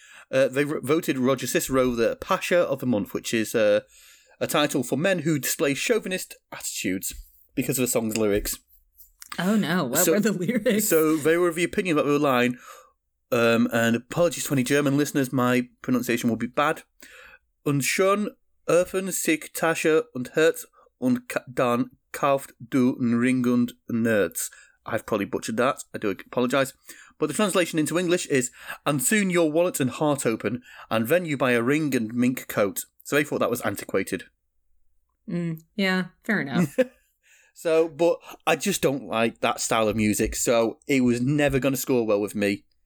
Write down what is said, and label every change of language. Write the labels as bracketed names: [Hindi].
[English] They voted Roger Cicero the Pasha of the Month, which is a title for men who display chauvinist attitudes because of the song's lyrics. Oh no, were the lyrics? So they were of the opinion that they were lying, and apologies to any German listeners, my pronunciation will be bad. [German] Und schon öffnen sich Tasche und Herz und dann kauft du ein Ring und Nerds. [English] I've probably butchered that, I do apologise. But the translation into English is, and soon your wallet and heart open, and then you buy a ring and mink coat. So they thought that was antiquated. Yeah, fair enough. So, but I just don't like that style of music. So it was never going to score well with me.